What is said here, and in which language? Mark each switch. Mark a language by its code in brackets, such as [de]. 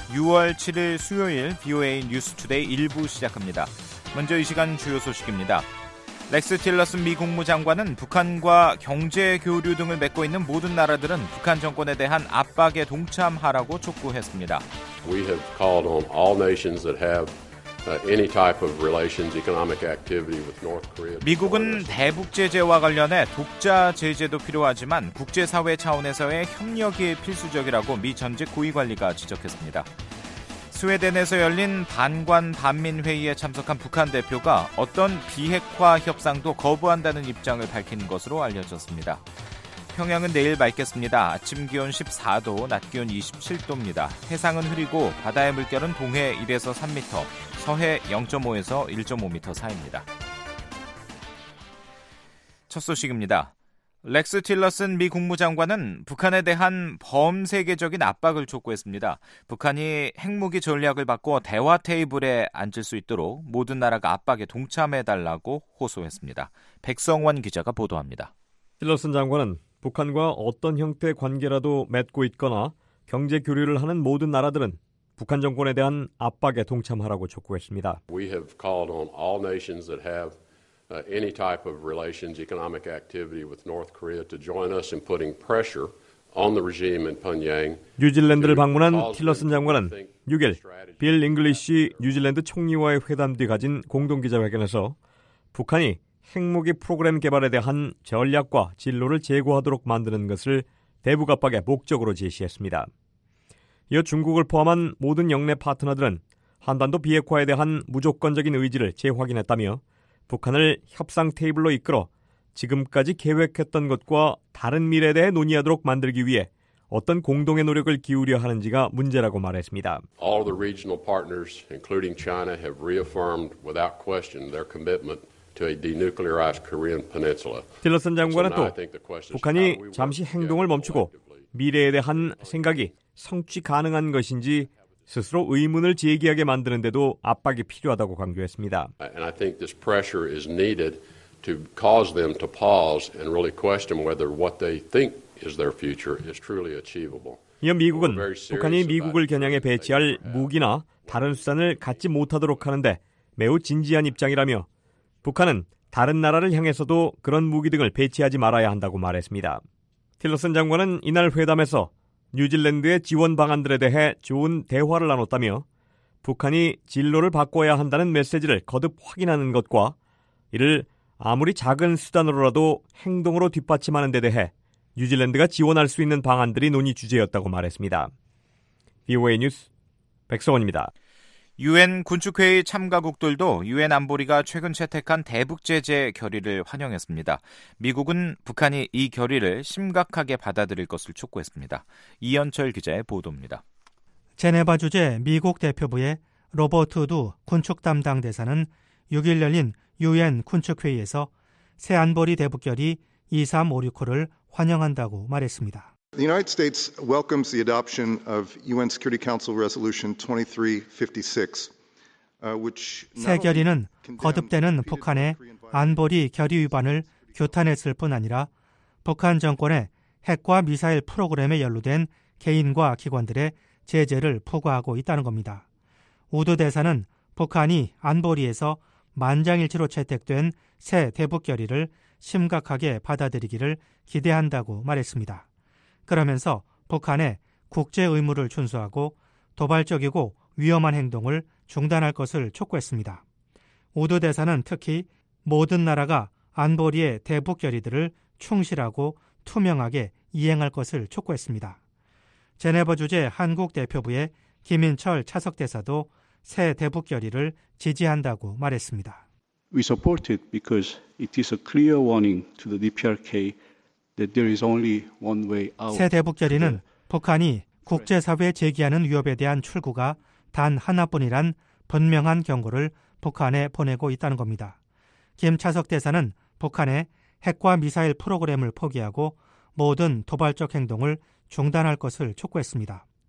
[ko] 6월 7일 수요일 VOA 뉴스 투데이 1부 시작합니다. 먼저 이 시간 주요 소식입니다. 렉스 틸러슨 미 국무장관은 북한과 경제 교류 등을 맺고 있는 모든 나라들은 북한 정권에 대한 압박에 동참하라고 촉구했습니다. [en] We have called on all nations that have any type of relations, economic activity with North Korea. [ko] 미국은 대북 제재와 관련해 독자 제재도 필요하지만 국제사회 차원에서의 협력이 필수적이라고 미 전직 고위 관리가 지적했습니다. 스웨덴에서 열린 반관 반민회의에 참석한 북한 대표가 어떤 비핵화 협상도 거부한다는 입장을 밝힌 것으로 알려졌습니다. 평양은 내일 맑겠습니다. 아침 기온 14도, 낮 기온 27도입니다. 해상은 흐리고 바다의 물결은 동해 1에서 3m, 서해 0.5에서 1.5m 사이입니다. 첫 소식입니다. 렉스 틸러슨 미 국무장관은 북한에 대한 범세계적인 압박을 촉구했습니다. 북한이 핵무기 전략을 바꿔 대화 테이블에 앉을 수 있도록 모든 나라가 압박에 동참해달라고 호소했습니다. 백성원 기자가 보도합니다. 틸러슨 장관은 북한과 어떤 형태의 관계라도 맺고 있거나 경제 교류를 하는 모든 나라들은 북한 정권에 대한 압박에 동참하라고 촉구했습니다. [en] We have called on all nations that have any type of relations, economic activity with North Korea to join us in putting pressure on the regime in Pyongyang. [ko] 뉴질랜드를 방문한 틸러슨 장관은 6일 빌 잉글리시 뉴질랜드 총리와의 회담 뒤 가진 공동 기자회견에서 북한이 핵무기 프로그램 개발에 대한 전략과 진로를 제고하도록 만드는 것을 대북 압박의 목적으로 제시했습니다. 이어 중국을 포함한 모든 영내 파트너들은 한반도 비핵화에 대한 무조건적인 의지를 재확인했다며 북한을 협상 테이블로 이끌어 지금까지 계획했던 것과 다른 미래에 대해 논의하도록 만들기 위해 어떤 공동의 노력을 기울여 하는지가 문제라고 말했습니다. [en] All the regional partners, including China, have reaffirmed without question their commitment to a denuclearized Korean peninsula. [ko] 틸러슨 장관은 또 북한이 잠시 행동을 멈추고 미래에 대한 생각이 성취 가능한 것인지 스스로 의문을 제기하게 만드는데도 압박이 필요하다고 강조했습니다. [en] And I think this pressure is needed to cause them to pause and really question whether what they think is their future is truly achievable. [ko] 이어 미국은 북한이 미국을 겨냥해 배치할 무기나 다른 수단을 갖지 못하도록 하는데 매우 진지한 입장이라며 북한은 다른 나라를 향해서도 그런 무기 등을 배치하지 말아야 한다고 말했습니다. 틸러슨 장관은 이날 회담에서 뉴질랜드의 지원 방안들에 대해 좋은 대화를 나눴다며 북한이 진로를 바꿔야 한다는 메시지를 거듭 확인하는 것과 이를 아무리 작은 수단으로라도 행동으로 뒷받침하는 데 대해 뉴질랜드가 지원할 수 있는 방안들이 논의 주제였다고 말했습니다. VOA 뉴스 백성원입니다. 유엔 군축회의 참가국들도 유엔 안보리가 최근 채택한 대북 제재 결의를 환영했습니다. 미국은 북한이 이 결의를 심각하게 받아들일 것을 촉구했습니다. 이현철 기자의 보도입니다. 제네바 주재 미국 대표부의 로버트 두 군축 담당 대사는 6일 열린 유엔 군축회의에서 새 안보리 대북 결의 23569를 환영한다고 말했습니다. [en] The United States welcomes the adoption of UN Security Council Resolution 2356, which [ko] 새 결의는 거듭되는 북한의 안보리 결의 위반을 규탄했을 뿐 아니라 북한 정권의 핵과 미사일 프로그램에 연루된 개인과 기관들의 제재를 포괄하고 있다는 겁니다. 우드 대사는 북한이 안보리에서 만장일치로 채택된 새 대북결의를 심각하게 받아들이기를 기대한다고 말했습니다. 그러면서 북한에 국제 의무를 준수하고 도발적이고 위험한 행동을 중단할 것을 촉구했습니다. 우드 대사는 특히 모든 나라가 안보리의 대북결의들을 충실하고 투명하게 이행할 것을 촉구했습니다. 제네버 주재 한국대표부의 김인철 차석대사도 새 대북결의를 지지한다고 말했습니다. [en] We support it because it is a clear warning to the DPRK that there is only one way out. [ko] 새 대북결의는 북한이 국제사회에 제기하는 위협에 대한 출구가 단 하나뿐이란 분명한 경고를 북한에 보내고 있다는 겁니다. 김 차석 대사는 북한의 핵과 미사일 프로그램을 포기하고 모든 도발적 행동을 중단할 것을 촉구했습니다.